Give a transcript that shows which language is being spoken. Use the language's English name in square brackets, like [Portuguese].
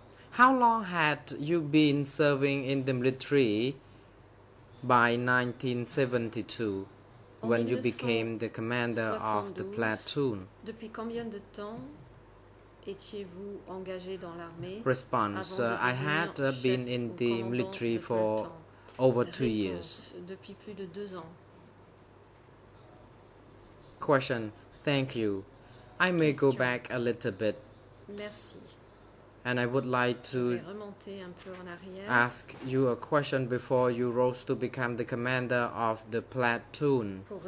[English] How long had you been serving in the military by 1972 when you became the commander of the platoon? [French] Depuis combien de temps étiez-vous engagé dans l'armée? [English] Response: I had been in the military for over 2 years. [French] Depuis plus de 2 ans. [English] Question. Thank you. I may go back a little bit. [French] Merci. [English] And I would like to ask you a question before you rose to become the commander of the platoon.